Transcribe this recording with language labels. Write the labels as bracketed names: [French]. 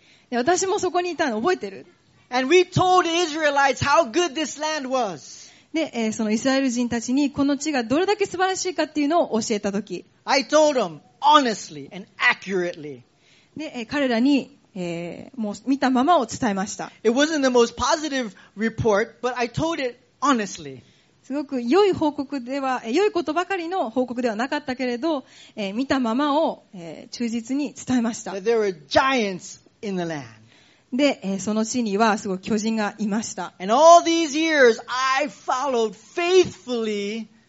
[Japanese] で、私もそこにいたの覚えてる? [English] And we told Israelites how good this land was. [Japanese] で、そのイスラエル人たちにこの地がどれだけ素晴らしいかっていうのを教えたとき。 [English] I told them honestly and accurately. [Japanese] で、彼らに、もう見たままを伝えました。 [English] It wasn't the most positive report, but I told it honestly. [Japanese] すごく良い報告では、良いことばかりの報告ではなかったけれど、見たままを、忠実に伝えました。 [English] But there were giants in the land. [Japanese] で、その地にはすごい巨人がいました。 [English] And all these years, I followed faithfully